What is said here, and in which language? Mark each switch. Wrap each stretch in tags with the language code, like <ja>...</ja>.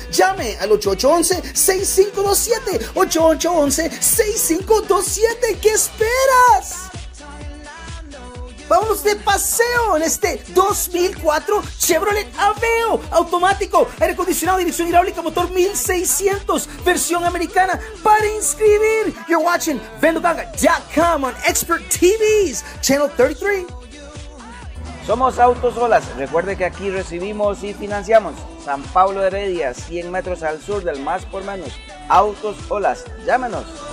<es>Llame al 8811-6527, 8811-6527, ¿qué esperas? ¡Vámonos de paseo en este 2004 Chevrolet Aveo! Automático, aire acondicionado, dirección hidráulica, motor 1600, versión americana. ¡Para inscribir!</es> <en>You're watching VendoGanga.com on Expert TVs, Channel 33.</en> <es>Somos Autos Olas. Recuerde que aquí recibimos y financiamos. San Pablo Heredia, 100 metros al sur del Más por Menos. Autos Olas, llámenos.</es>